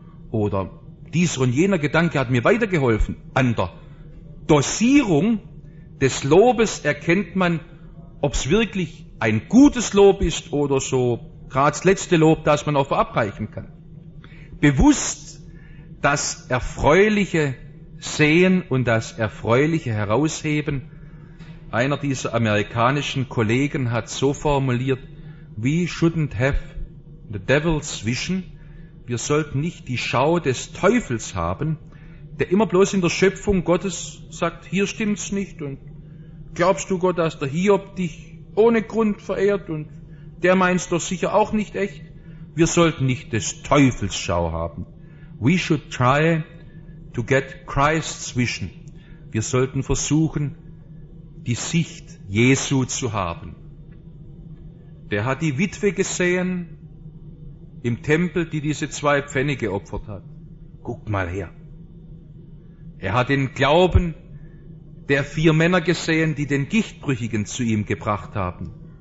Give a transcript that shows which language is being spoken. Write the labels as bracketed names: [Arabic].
[German] Oder dieser und jener Gedanke hat mir weitergeholfen. An der Dosierung des Lobes erkennt man, ob es wirklich ein gutes Lob ist oder so gerade das letzte Lob, das man auch verabreichen kann. Bewusst das Erfreuliche sehen und das Erfreuliche herausheben. Einer dieser amerikanischen Kollegen hat so formuliert, [English] we shouldn't have the devil's vision. [German] Wir sollten nicht die Schau des Teufels haben, der immer bloß in der Schöpfung Gottes sagt, hier stimmt's nicht, und glaubst du Gott, dass der Hiob dich ohne Grund verehrt, und der meint's doch sicher auch nicht echt. Wir sollten nicht des Teufels Schau haben. [English] We should try to get Christ's vision. [German] Wir sollten versuchen, die Sicht Jesu zu haben. Der hat die Witwe gesehen im Tempel, die diese 2 Pfennige geopfert hat. Guck mal her. Er hat den Glauben der 4 Männer gesehen, die den Gichtbrüchigen zu ihm gebracht haben.